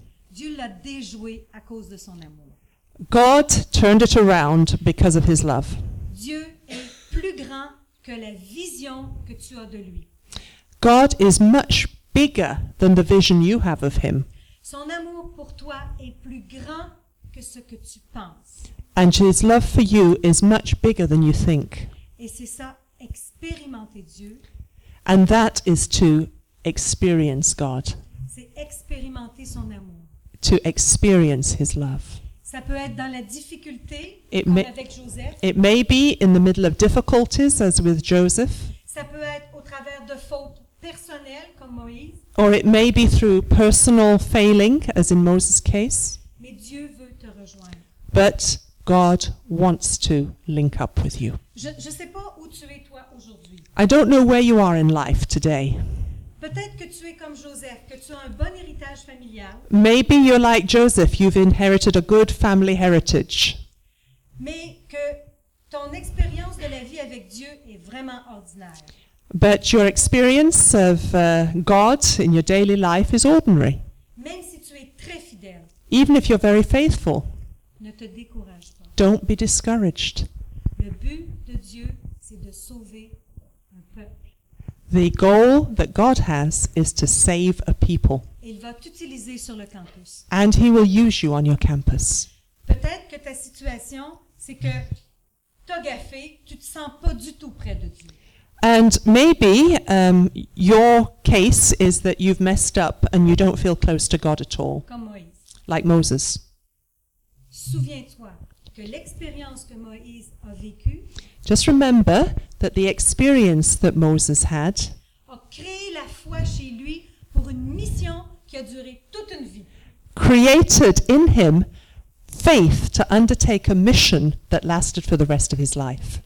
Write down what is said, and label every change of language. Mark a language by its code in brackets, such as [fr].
[fr] Dieu l'a déjoué à cause de son amour. [en] God turned it around because of his love. [fr] Dieu est plus grand que la vision que tu as de lui. [en] God is much bigger than the vision you have of him. [fr] Son amour pour toi est plus grand que ce que tu penses. [en] And his love for you is much bigger than you think. [fr] Et c'est ça, expérimenter Dieu. [en] And that is to experience God. [fr] C'est expérimenter son amour. [en] To experience his love. [fr] Ça peut être dans la difficulté, comme avec Joseph. [en] It may be in the middle of difficulties, as with Joseph. [fr] Ça peut être au travers de fautes personnelles, comme Moïse. [en] Or it may be through personal failing, as in Moses' case. [fr] Mais Dieu veut te rejoindre. [en] But God wants to link up with you. [fr] Je sais pas où tu es toi aujourd'hui. [en] I don't know where you are in life today. [fr] Peut-être que tu es comme Joseph, que tu as un bon héritage familial. [en] Maybe you're like Joseph, you've inherited a good family heritage. [fr] Mais que ton expérience de la vie avec Dieu est vraiment ordinaire. [en] But your experience of God in your daily life is ordinary. [fr] Même si tu es très fidèle. [en] Even if you're very faithful. [fr] Ne te décourage pas. [en] Don't be discouraged. [fr] Le but de Dieu, c'est de sauver. [en] The goal that God has is to save a people. [fr] Il va t'utiliser sur le campus. [en] And he will use you on your campus. [fr] Peut-être que ta situation, c'est que t'as gaffé, tu te sens pas du tout près de Dieu. [en] And maybe your case is that you've messed up and you don't feel close to God at all. [fr] Comme Moïse. [en] Like Moses. [fr] Souviens-toi que l'expérience que Moïse a vécue. [en] Just remember that the experience that Moses had [fr] a créé la foi chez lui pour une mission qui a duré toute une vie. [en] Created in him faith to undertake a mission that lasted for the rest of his life.